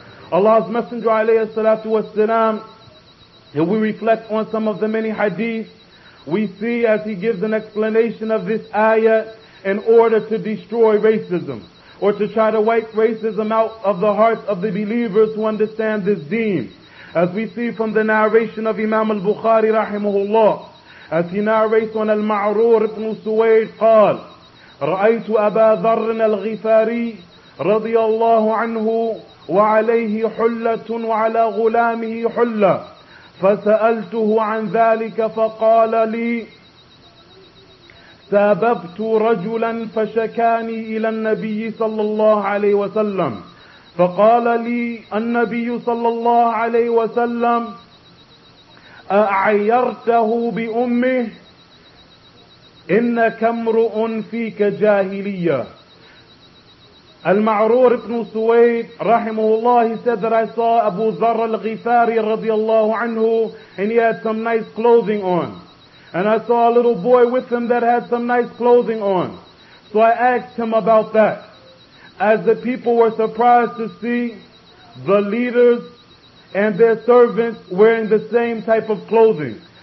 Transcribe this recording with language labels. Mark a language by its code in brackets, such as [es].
[en] Allah's Messenger alayhi salatu wasalam, if we reflect on some of the many hadith, we see as He gives an explanation of this ayah in order to destroy racism or to try to wipe racism out of the hearts of the believers who understand this deen. As we see from the narration of Imam al-Bukhari rahimahullah, as he narrates on Al-Ma'rur ibn Suwayd, [ar] قال, رأيت أبا ذر الغفاري رضي الله عنه وعليه حلة وعلى غلامه حلة فسألته عن ذلك فقال لي سببت رجلا فشكاني إلى النبي صلى الله عليه وسلم فقال لي النبي صلى الله عليه وسلم أعيرته بأمه إنك امرؤ فيك جاهلية. [en] Al-Ma'rur ibn Suwayd, rahimahullah, he said that I saw Abu Dharr al-Ghifari radiallahu anhu, and he had some nice clothing on. And I saw a little boy with him that had some nice clothing on. So I asked him about that. As the people were surprised to see the leaders and their servants wearing the same type of clothing.